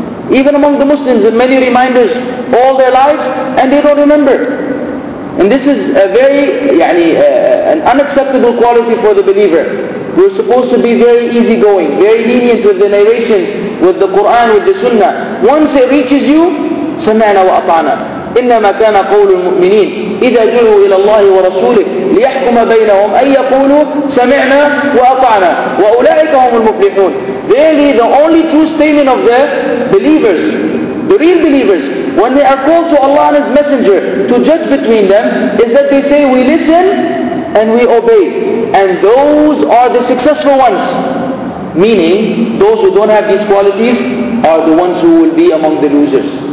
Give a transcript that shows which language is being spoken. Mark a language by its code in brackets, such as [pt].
[en] Even among the Muslims, in many reminders all their lives, and they don't remember. And this is a very, an unacceptable quality for the believer. We're supposed to be very easygoing, very lenient with the narrations, with the Quran, with the Sunnah. Once it reaches you, [ar] سَمَعْنَا وَأَطَعْنَا إِنَّمَا كَانَ قَوْلُ الْمُؤْمِنِينَ إِذَا جُرُوا إِلَى اللَّهِ وَرَسُولِهِ لِيَحْكُمَ بَيْنَهُمْ أَنْ يَقُولُوا سَمِعْنَا وَأَطَعْنَا وَأُولَٰئِكَ هُمُ الْمُفْلِحُونَ. [en] Really, the only true statement of the believers, the real believers, when they are called to Allah and His Messenger to judge between them, is that they say, we listen and we obey. And those are the successful ones. Meaning, those who don't have these qualities are the ones who will be among the losers.